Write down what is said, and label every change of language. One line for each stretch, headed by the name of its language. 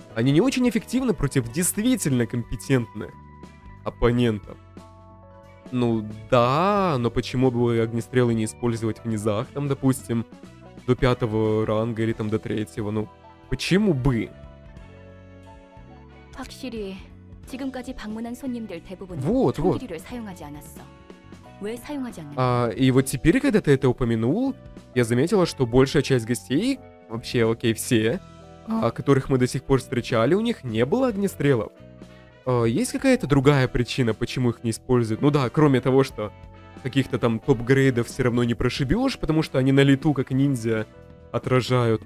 Russian: Они не очень эффективны против действительно компетентных оппонентов. Ну да, но почему бы огнестрелы не использовать в низах, там, допустим, до 5 ранга или там до 3-го? Ну, почему бы?
Korean: 확실히 지금까지 방문한 손님들 대부분은
Russian: вот,
Korean: 총기를
Russian: вот.
Korean: 사용하지 않았어. 왜 사용하지 않는?
Russian: 아, и вот теперь, когда ты это упомянул, я заметила, что большая часть гостей, вообще, окей, все, которых мы до сих пор встречали, у них не было огнестрелов. Есть какая-то другая причина, почему их не используют? Ну да, кроме того, что каких-то там топ-грейдов все равно не прошибешь, потому что они на лету, как ниндзя, отражают.